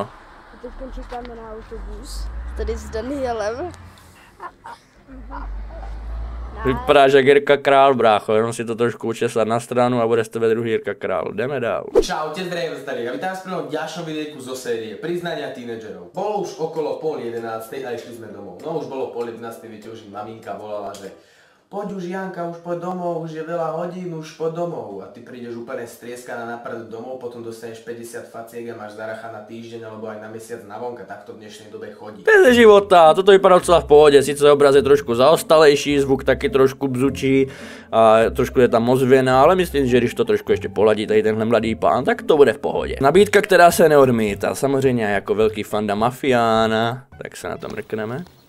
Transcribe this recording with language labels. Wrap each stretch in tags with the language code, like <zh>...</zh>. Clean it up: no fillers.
<cs>A teď končíme na autobus. Tady s Danielem. Vypadáš jak Jirka Král, brácho, jenom si to trošku učesat na stranu a bude z tebe druhý Jirka Král. Jdeme dál.</cs> <sk>Čau, tě zdravím tady, já vítám vás prvnou ďalšou videjku zo série Priznania teenagerov. Bolo už okolo 10:30 a išli jsme domov. No už bolo 10:30, viete, už maminka volala, že poď už Janka, už poď domov, už je veľa hodín, už poď domov. A ty prídeš úplne strieskaná na prd domov, potom dostaneš 50 faciek a máš zaracha na týždeň alebo aj na mesiac na vonka, tak to v dnešnej dobe chodí.</sk> <cs>Bez života, toto vypadá docela v pohode, síce obraz je trošku zaostalejší, zvuk taky trošku bzučí a trošku je tam ozvěna, ale myslím, že když to trošku ještě poladí tady tenhle mladý pán, tak to bude v pohodě. Nabídka, která se neodmítá, samozřejmě jako velký fanda Mafiána, tak se na to mrkneme.</cs>